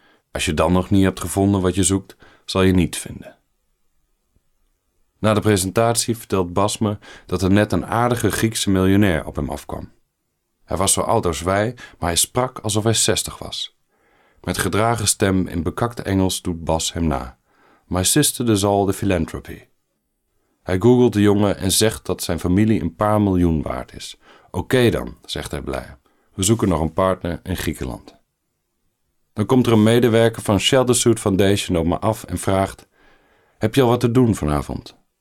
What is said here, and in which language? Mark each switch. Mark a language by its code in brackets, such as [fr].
[nl] Als je dan nog niet hebt gevonden wat je zoekt, zal je niet vinden. Na de presentatie vertelt Bas me dat er net een aardige Griekse miljonair op hem afkwam. Hij was zo oud als wij, maar hij sprak alsof hij 60 was. Met gedragen stem in bekakte Engels doet Bas hem na. [en] My sister does all the philanthropy. [nl] Hij googelt de jongen en zegt dat zijn familie 1 paar miljoen waard is. Oké dan, zegt hij blij. We zoeken nog een partner in Griekenland. Dan komt er een medewerker van Shelter Suit Foundation op me af en vraagt, heb je al wat te doen vanavond?